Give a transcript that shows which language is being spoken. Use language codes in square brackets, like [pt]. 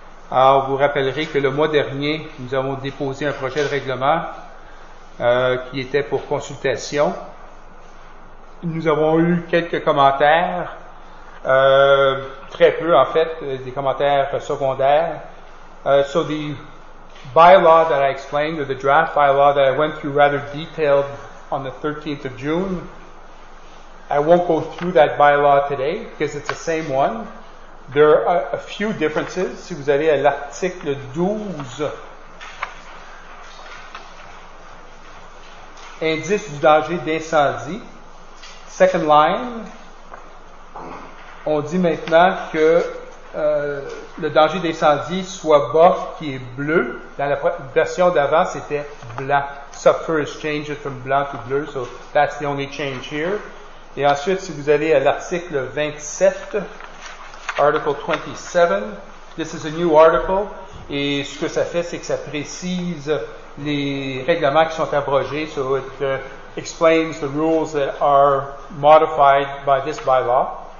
[fr] Alors, vous rappellerez que le mois dernier, nous avons déposé un projet de règlement qui était pour consultation. Nous avons eu quelques commentaires, très peu en fait, des commentaires secondaires. [en] So the bylaw that I explained, or the draft bylaw that I went through rather detailed on the 13th of June, I won't go through that bylaw today because it's the same one. There are a few differences. [fr] Si vous allez à l'article 12, indice du danger d'incendie, [en] second line, [fr] on dit maintenant que le danger d'incendie soit bas, qui est bleu. Dans la version d'avant, c'était blanc. [en] Sulfur has changed from blanc to blue, so that's the only change here. [fr] Et ensuite, si vous allez à l'article 27, Article 27, [en] this is a new article, [fr] et ce que ça fait, c'est que ça précise les règlements qui sont abrogés, [en] so it explains the rules that are modified by this bylaw.